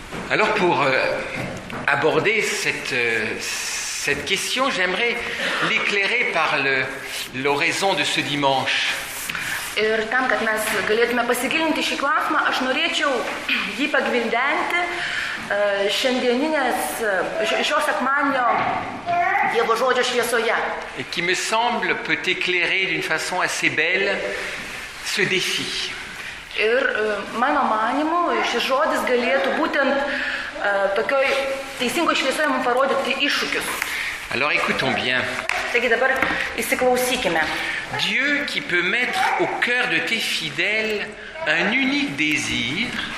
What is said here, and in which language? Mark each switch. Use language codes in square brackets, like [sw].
[fr] Alors pour aborder cette question, j'aimerais l'éclairer par l'oraison de ce dimanche. [lt] Ir tam, kad mes galėtume pasigilinti šį klausimą, aš norėčiau jį pagvildenti šiandieninės, šio sekmanio Dievo žodžio šviesoje. [fr] Et qui me semble peut éclairer d'une façon assez belle ce défi. [lt] Ir mano manimu, šis žodis galėtų būtent tokioj teisingoj šviesoje mums parodyti iššūkius. [fr] Alors écoutons bien. [lt] Taigi dabar įsiklausykime. [fr] Dieu qui peut mettre au cœur de tes fidèles un unique désir.